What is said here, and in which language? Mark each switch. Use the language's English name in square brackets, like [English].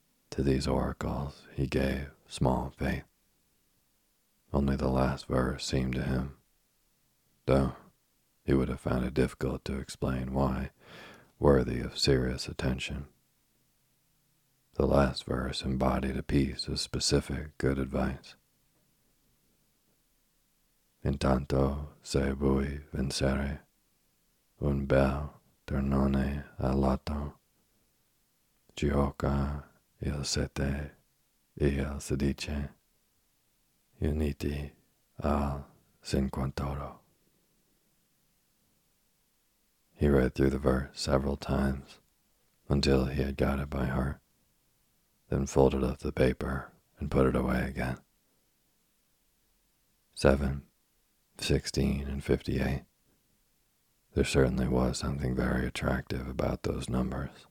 [English] To these oracles he gave small faith. Only the last verse seemed to him, though he would have found it difficult to explain why, worthy of serious attention. The last verse embodied a piece of specific good advice. [Italian] Intanto se voi vincere un bel turnone a lotto, gioca il 7 e il 16 uniti al 58. [English] He read through the verse several times until he had got it by heart, then folded up the paper and put it away again. 7, 16, and 58. There certainly was something very attractive about those numbers.